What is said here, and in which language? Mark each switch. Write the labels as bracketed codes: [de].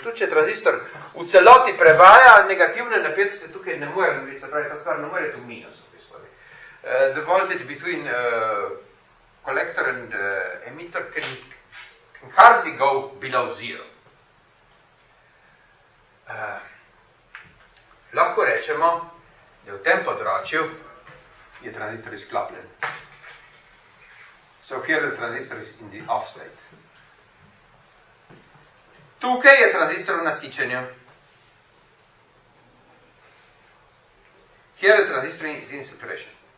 [sl] Tu če tranzistor v celoti prevaja negativne napetosti, tukaj ne more biti, se pravi, ta stvar ne more biti v minusu. [en] The voltage between collector and emitter can hardly go below zero. [sl] Lahko rečemo, da v tem področju je tranzistor izklopljen. [en] So here the transistor is in the offset. [sl] Tukaj je tranzistor v nasičenju. [en] Here the transistor is in saturation.